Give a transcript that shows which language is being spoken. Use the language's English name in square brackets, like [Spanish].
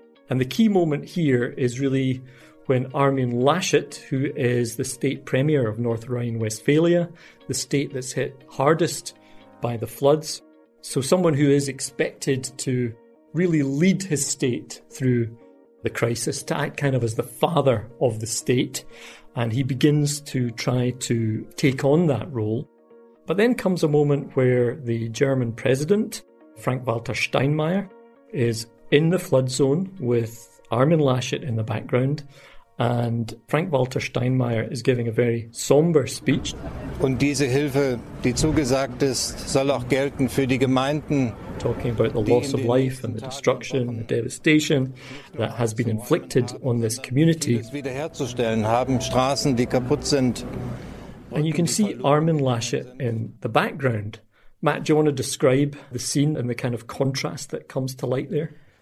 [English] And the key moment here is really when Armin Laschet, who is the state premier of North Rhine-Westphalia, the state that's hit hardest by the floods, so someone who is expected to really lead his state through the crisis, to act kind of as the father of the state, and he begins to try to take on that role. But then comes a moment where the German president, Frank-Walter Steinmeier, is in the flood zone with Armin Laschet in the background. And Frank-Walter Steinmeier is giving a very somber speech. [German] Und diese Hilfe, die zugesagt ist, soll auch gelten für die Gemeinden. [English] Talking about the loss of life and the destruction and the devastation that has been inflicted on this community. [German] Wiederherzustellen haben Straßen, die kaputt sind. [English] And you can see Armin Laschet in the background. Matt, do you want to describe the scene and the kind of contrast that comes to light there?